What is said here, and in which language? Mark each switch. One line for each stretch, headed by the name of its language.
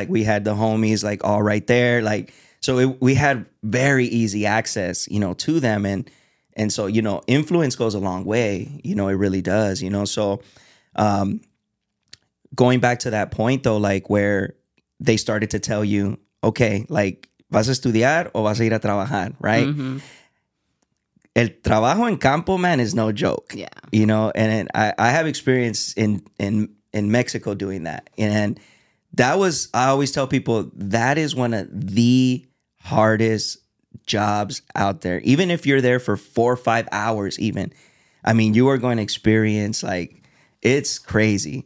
English: Like, we had the homies, like, all right there. Like, so we had very easy access, you know, to them. And so, you know, influence goes a long way. You know, it really does, you know. So going back to that point, though, like, where they started to tell you, okay, like,
Spanish: ¿vas a estudiar o vas a ir a trabajar?
English: Right? Mm-hmm.
Spanish: El trabajo en campo,
English: man, is no joke. Yeah. You know, and I have experience in Mexico doing that. And I always tell people, that is one of the hardest jobs out there. Even if you're there for 4 or 5 hours even, I mean, you are going to experience, like, it's crazy.